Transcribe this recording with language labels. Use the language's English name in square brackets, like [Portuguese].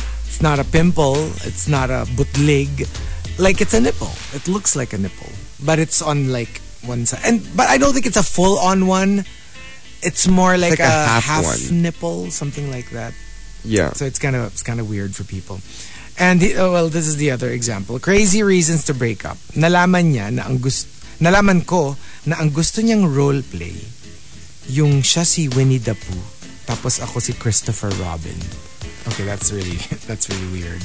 [English] It's not a pimple. It's not a butlig. Like, it's a nipple. It looks like a nipple. But it's on, like, one side. And but I don't think it's a full-on one. It's more like a half nipple, something like that. Yeah. So it's kind of weird for people. And, this is the other example. Crazy reasons to break up. [Filipino] Nalaman ko na ang gusto niyang roleplay yung siya si Winnie the Pooh, tapos ako si Christopher Robin. [English] Okay, that's really weird.